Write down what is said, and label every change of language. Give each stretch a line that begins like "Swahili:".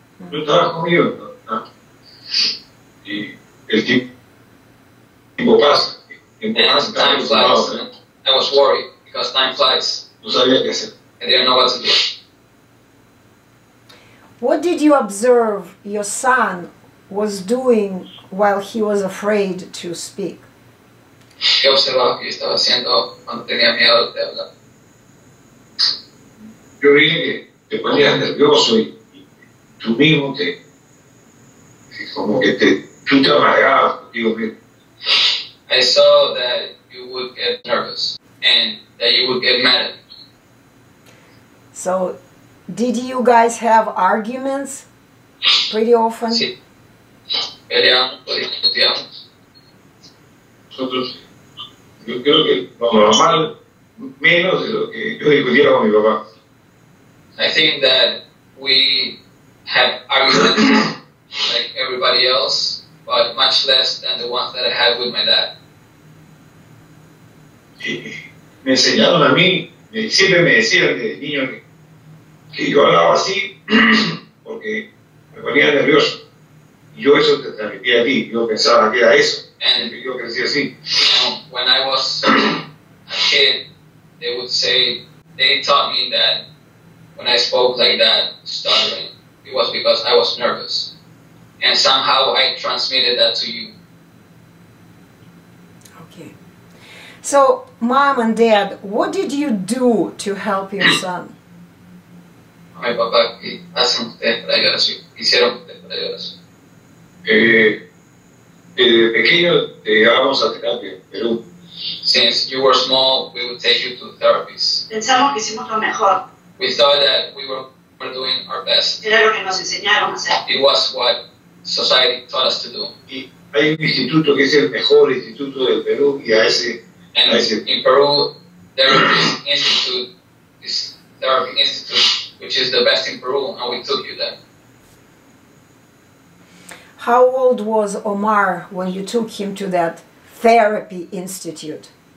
Spanish: No estaba conmigo, no. Y el tiempo pasa.
English: And time flies. I was worried because time flies.
Spanish: No sabía qué hacer.
English: I didn't know what to do. What did you observe your son was doing while he was afraid to speak?
Spanish: ¿Qué observaba que estaba haciendo cuando tenía miedo de hablar? Yo vi que te ponías nervioso y tú mismo te... como que te... tú te amargabas contigo mismo.
English: I saw that you would get nervous and that you would get mad at me. So, did you guys have arguments pretty often?
Spanish: Sí. Peleamos, discutíamos. Nosotros... yo creo que lo normal, menos de lo que yo discutiera con mi papá.
English: I think that we had arguments like everybody else, but much less than the ones that I had with my dad.
Spanish: Y me enseñaron a mí, siempre me decían desde niño que yo hablaba así porque me ponía nervioso. Y yo eso te transmitía a ti, yo pensaba que era eso.
English: And
Spanish: yo crecí así.
English: When I was a kid, they would say, they taught me that when I spoke like that, stuttering, it was because I was nervous. And somehow I transmitted that to you. Okay. So, mom and dad, what did you do to help your son?
Spanish: Ay, papá, ¿qué hacen ustedes para ayudar a su hijo? ¿Qué hicieron ustedes para ayudar a su hijo? Desde pequeño te llevábamos a terapia, Perú.
English: Since you were small, we would take you to therapies.
Spanish: Pensamos que hicimos lo mejor.
English: We thought that we were doing our best.
Spanish: Era lo que nos enseñaron a hacer.
English: It was what society taught us to do.
Spanish: Y hay un instituto que es el mejor instituto del Perú y a ese...
English: And
Spanish: a ese.
English: In Peru, there is this institute, this therapy institute, which is the best in Peru, and we took you there. How old was Omar when you took him to that therapy institute?